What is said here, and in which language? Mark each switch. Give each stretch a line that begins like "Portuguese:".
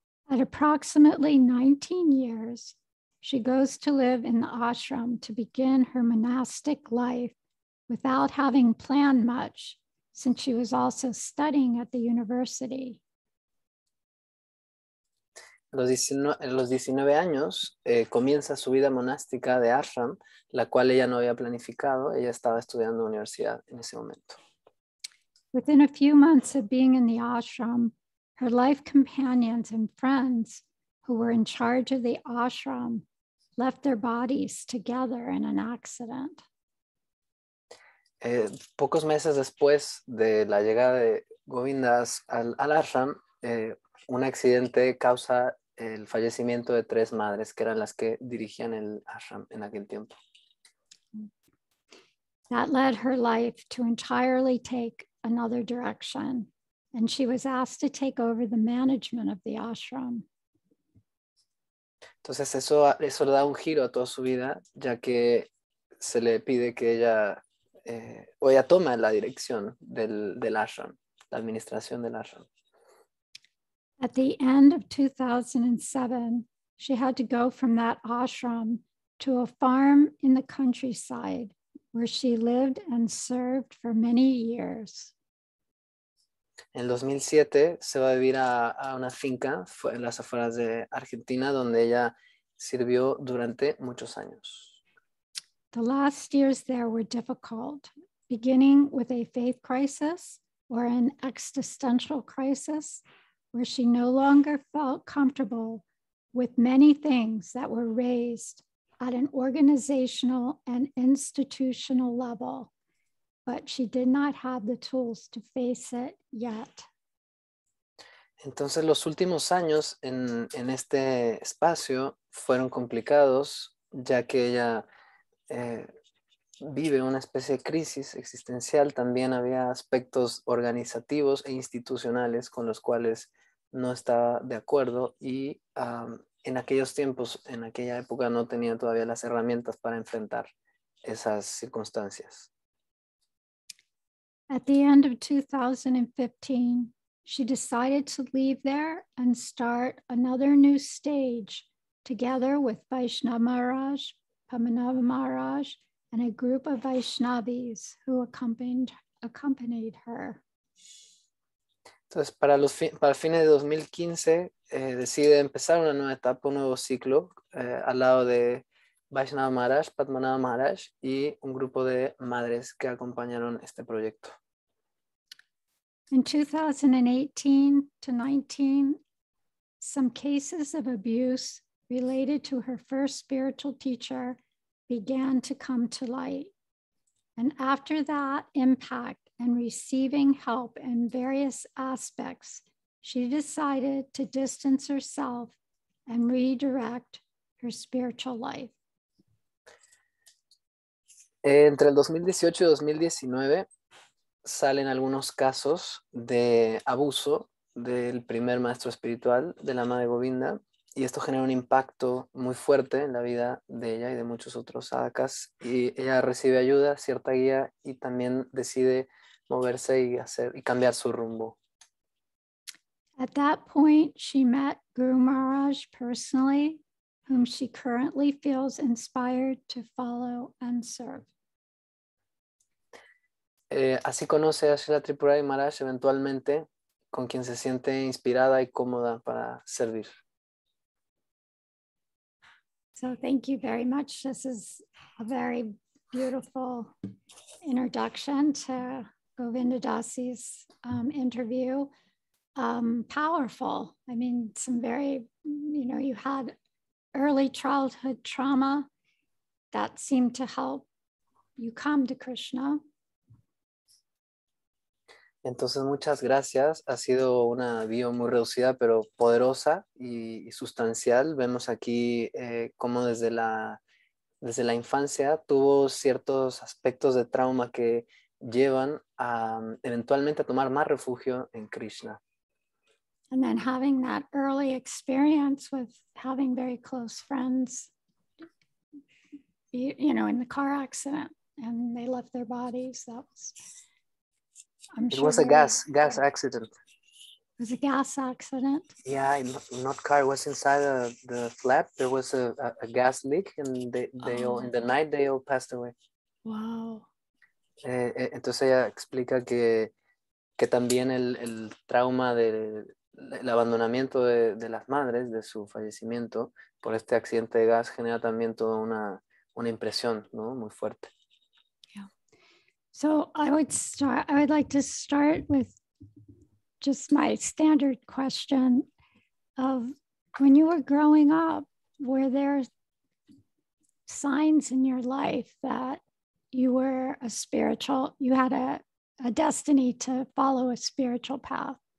English: At approximately 19 years, she goes to live in the ashram to begin her monastic life without having planned much since she was also studying at the university.
Spanish: los 19 años comienza su vida monástica de ashram, la cual ella no había planificado. Ella estaba estudiando universidad en ese momento.
English: Within a few months of being in the ashram, her life companions and friends who were in charge of the ashram left their bodies together in an accident.
Spanish: Pocos meses después de la llegada de Govindas al ashram, un accidente causa el fallecimiento de tres madres que eran las que dirigían el ashram en aquel tiempo.
English: That led her life to entirely take another direction, and she was asked to take over the management of the ashram.
Spanish: Entonces eso le da un giro a toda su vida, ya que se le pide que ella o ella toma la dirección del ashram, la administración del ashram.
English: At the end of 2007, she had to go from that ashram to a farm in the countryside where she lived and served for many years.
Spanish: En 2007 se va a vivir a una finca en las afueras de Argentina donde ella sirvió durante muchos años.
English: The last years there were difficult, beginning with a faith crisis or an existential crisis where she no longer felt comfortable with many things that were raised at an organizational and institutional level, but she did not have the tools to face it yet.
Spanish: Entonces los últimos años en este espacio fueron complicados, ya que ella vive una especie de crisis existencial. También había aspectos organizativos e institucionales con los cuales no estaba de acuerdo y en aquellos tiempos, en aquella época, no tenía todavía las herramientas para enfrentar esas circunstancias.
English: At the end of 2015, she decided to leave there and start another new stage together with Vaishnava Maharaj, Padmanabha Maharaj, and a group of Vaishnavis who accompanied her.
Spanish: Entonces, para fines de 2015, decide empezar una nueva etapa, un nuevo ciclo, al lado de Vaishnava Maharaj, Padmanabha Maharaj y un grupo de madres que acompañaron este proyecto.
English: In 2018 to 19, some cases of abuse related to her first spiritual teacher began to come to light. And after that impact and receiving help in various aspects, she decided to distance herself and redirect her spiritual life.
Spanish: Entre el 2018 y 2019, salen algunos casos de abuso del primer maestro espiritual de la madre Govinda y esto genera un impacto muy fuerte en la vida de ella y de muchos otros sadhakas y ella recibe ayuda, cierta guía y también decide moverse y hacer y cambiar su rumbo.
English: At that point, she met Guru Maharaj personally, whom she currently feels inspired to follow and serve.
Spanish: Así conoce a Srila Tripurari Maharaj eventualmente, con quien se siente inspirada y cómoda para servir.
English: So thank you very much. This is a very beautiful introduction to Govinda Dasi's interview. Powerful. I mean, some very, you know, you had early childhood trauma that seemed to help you come to Krishna.
Spanish: Entonces, muchas gracias. Ha sido una bio muy reducida, pero poderosa y sustancial. Vemos aquí cómo desde la infancia tuvo ciertos aspectos de trauma que llevan a eventualmente a tomar más refugio en Krishna.
English: And then having that early experience with having very close friends, you know, in the car accident and they left their bodies. That was... It was a gas accident. It was a gas accident. Yeah, not car. It was inside the flat. There was a gas leak, and they all passed away. Wow.
Spanish: Entonces ella explica que también el trauma El abandonamiento de las madres, de su fallecimiento por este accidente de gas, genera también toda una impresión, ¿no? Muy fuerte.
English: So I would like to start with just my standard question of when you were growing up, were there signs in your life that you were a spiritual, you had a destiny to follow a spiritual path?